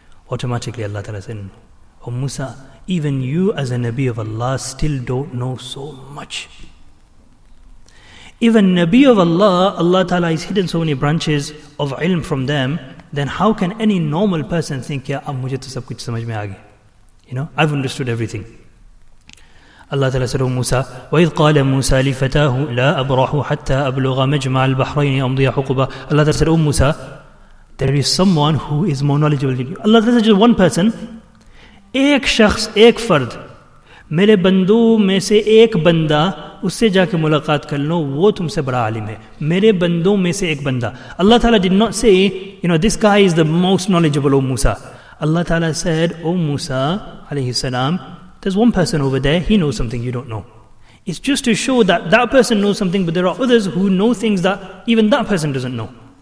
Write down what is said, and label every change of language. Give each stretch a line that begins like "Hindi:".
English: Automatically Allah Ta'ala said, oh Musa, even you as a Nabi of Allah still don't know so much. If a Nabi of Allah, Allah Ta'ala has hidden so many branches of ilm from them, then how can any normal person think,
Urdu: ya ab mujhe to sab kuch samajh mein aa gaya.
English: You know, I've understood everything. Allah Ta'ala said, oh Musa,
Arabic: وَإِذْ قَالَ مُوسَى لِفَتَاهُ لَا أَبْرَحُ حَتَّى أَبْلُغَ مَجْمَعَ الْبَحْرَيْنِ أَمْضِيَ حُقُبًا.
English: Allah Ta'ala said, oh Musa, there is someone who is more knowledgeable than you. Allah Ta'ala said, just one person,
Urdu: ایک شخص ایک فرد میرے بندوں میں سے ایک بندہ اس سے جا کے ملاقات کر لو وہ تم سے بڑا عالم ہے میرے بندوں میں سے ایک بندہ.
English: Allah Ta'ala did not say, you know, this guy is the most knowledgeable, oh Musa. Allah Ta'ala said, oh Musa alayhi salam, there's one person over there, he knows something you don't know. It's just to show that that person knows something, but there are others who know things that even that person doesn't know.